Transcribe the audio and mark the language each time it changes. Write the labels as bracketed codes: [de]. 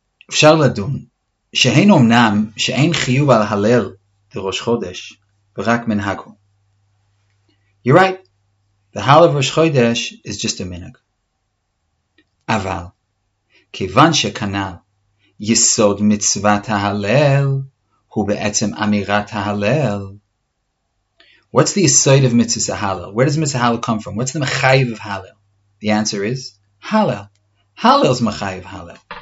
[he] אפשר לדון, שאין אומנם שאין חיוב על הלל לראש חודש, ורק מנהגו. [en] You're right, the hall of ראש חודש is just a מנהג. [he] אבל, כיוון שכנל יסוד מצוות ההלל, הוא בעצם אמירת ההלל. [en] What's the יסוד of מצוות ההלל? Where does מצוות ההלל come from? What's the מחייב of הלל? The answer is, הלל. הלל's מחייב הלל.